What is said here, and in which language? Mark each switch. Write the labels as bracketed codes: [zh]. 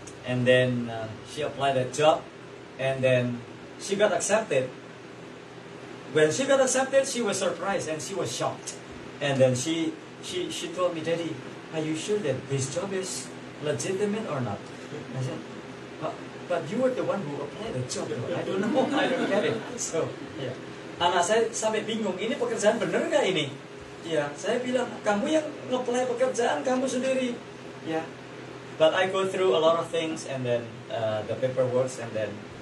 [en] And then she applied a job. And then she got accepted. When she got accepted, she was surprised and she was shocked. And then she told me, "Daddy, are you sure that this job is legitimate or not?" I said, "But you were the one who applied the job. I don't get it." So, yeah. [id] Anak saya sampai bingung. Ini pekerjaan benar nggak ini? Yeah. Saya bilang, "Kamu yang ngeplay pekerjaan kamu sendiri." [en] Yeah. But I go through a lot of things and then the paperwork and then.